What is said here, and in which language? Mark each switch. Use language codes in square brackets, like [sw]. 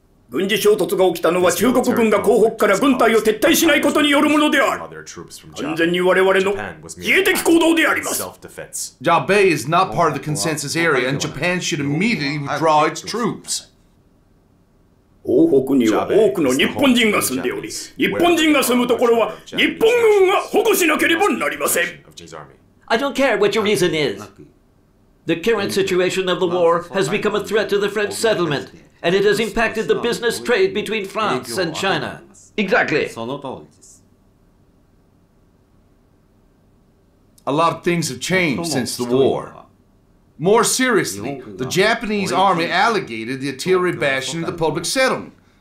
[ja] 軍事衝突が起きたのは中国軍が広北から軍隊を撤退しないことによるものである。完全に我々の自衛的行動であります。 [en] Jabei is not part of the consensus area and Japan should immediately withdraw its troops. [ja] 東北には多くの日本人が住んでおり、日本人が住むところは日本軍が保護しなければなりません。 [en] I don't care what your reason is. The current situation of the war has become a threat to the French settlement, and it has impacted the business trade between France and China. Exactly. A lot of things have changed since the war. More seriously, the Japanese army allegated the artillery bastion of the public settlement.